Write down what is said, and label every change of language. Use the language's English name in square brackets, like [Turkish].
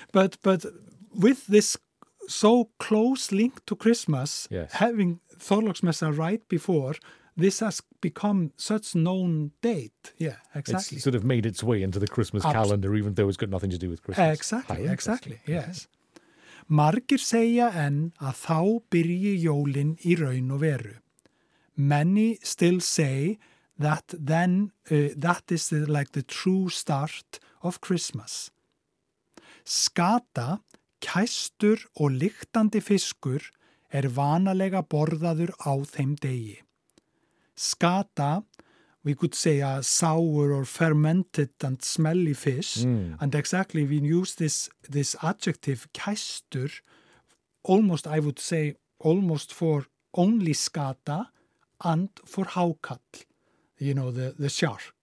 [English] But with this so close link to Christmas, yes. having Þorláksmessa right before, this has become such known date. Yeah, exactly. It's sort of made its way into the Christmas calendar, even though it's got nothing to do with Christmas. Exactly, yes. [Icelandic] Margir segja enn að þá byrji jólin í raun og veru. [English] Many still say that then that is the true start of Christmas. [Icelandic] Skata, kæstur og lyktandi fiskur vanalega borðaður á þeim degi. [English] Skata, we could say a sour or fermented and smelly fish. Mm. And exactly, we use this adjective, kæstur, almost, I would say, almost for only skata and for hákarl, you know, the shark.